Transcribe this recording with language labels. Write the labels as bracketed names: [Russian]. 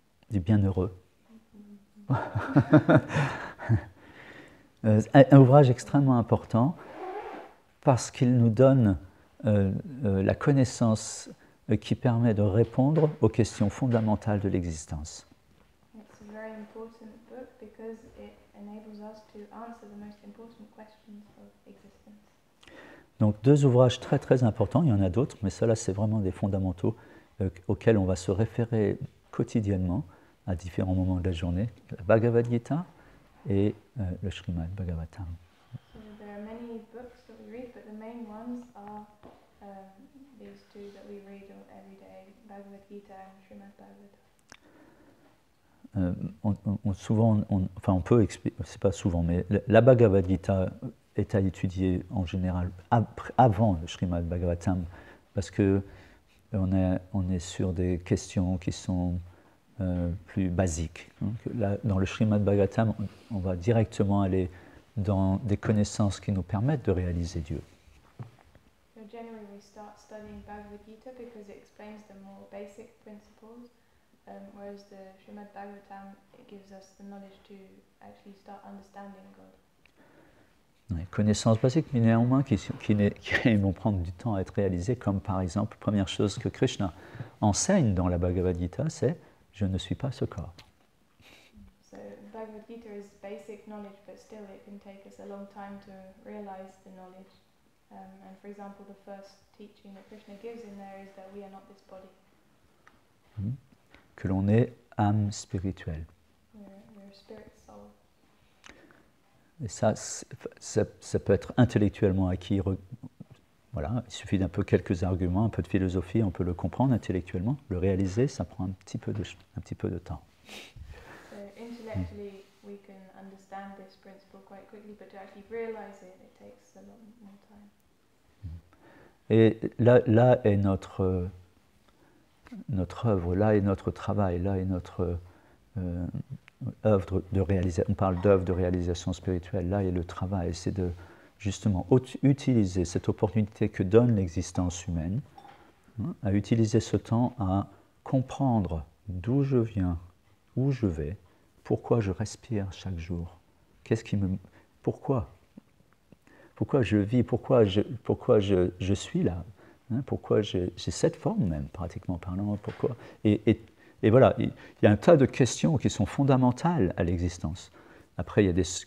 [French] du bienheureux. un ouvrage extrêmement important parce qu'il nous donne la connaissance qui permet de répondre aux questions fondamentales de l'existence. [English] It's a very important book because it enables us to answer the most important questions of existence. [French] Donc deux ouvrages très très importants, il y en a d'autres, mais ceux-là c'est vraiment des fondamentaux auxquels on va se référer quotidiennement à différents moments de la journée, la Bhagavad Gita et le Srimad Bhagavatam. [English] So there are many books that we read, but the main ones are these two that we read every day, Bhagavad Gita and Srimad Bhagavatam. [French] On peut expliquer, c'est pas souvent, mais la Bhagavad Gita est à étudier en général avant le Srimad Bhagavatam, parce que on est sur des questions qui sont plus basiques. Donc, là, dans le Srimad Bhagavatam, on va directement aller dans des connaissances qui nous permettent de réaliser Dieu. [English] So generally we start studying Bhagavad Gita because it explains the more basic principles, whereas the Srimad Bhagavatam gives us the knowledge to actually start understanding God. [French] Connaissances basiques, mais néanmoins qui vont prendre du temps à être réalisées, comme par exemple, première chose que Krishna enseigne dans la Bhagavad Gita, c'est « Je ne suis pas ce corps ». [English] So, Bhagavad Gita is basic knowledge, but still it can take us a long time to realize the knowledge. And for example, the first teaching that Krishna gives in there is that we are not this body. [French] Que l'on est âme spirituelle. [English] We're spirit soul. [French] Et ça, ça peut être intellectuellement acquis. Voilà, il suffit d'un peu quelques arguments, un peu de philosophie, on peut le comprendre intellectuellement. Le réaliser, ça prend un petit peu de temps. So, intellectually, we can understand this principle quite quickly, but to actually realize it, it takes a lot more time. Et là est notre œuvre, là est notre travail, là est notre œuvre de réalisation. On parle d'œuvre de réalisation spirituelle. Là est le travail, c'est de justement utiliser cette opportunité que donne l'existence humaine, à utiliser ce temps à comprendre d'où je viens, où je vais, pourquoi je respire chaque jour, pourquoi je vis, pourquoi je suis là, pourquoi j'ai cette forme même, pratiquement parlant, pourquoi et voilà, il y a un tas de questions qui sont fondamentales à l'existence. Après, il y a des...